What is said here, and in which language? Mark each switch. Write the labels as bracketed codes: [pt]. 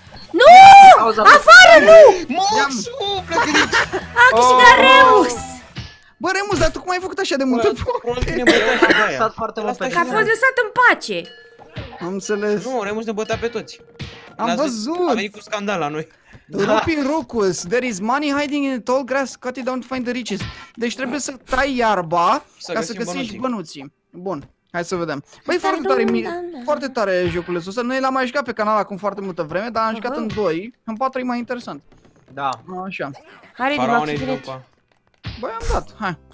[ro] Nu! Afară, nu! Maxu, pleacă de aici! A câștigat Remus! Bă, Remus, dar tu cum ai făcut așa de multe puncte? Că a fost lăsat în pace! Am înțeles. Nu, Remus ne bătea pe toți. Am văzut! A venit cu scandal la noi. [en] Rupin Rucus, there is money hiding in the tall grass, cut it down to find the riches. [ro] Deci trebuie să tai iarba ca să găsești bănuții. Bun, hai să vedem. Băi, foarte tare jocul ăsta. Noi l-am mai jucat pe canal acum foarte multă vreme, dar am jucat în 2. În 4 e mai interesant. Da. Așa. Hai, Faraone, băi, am dat. Hai.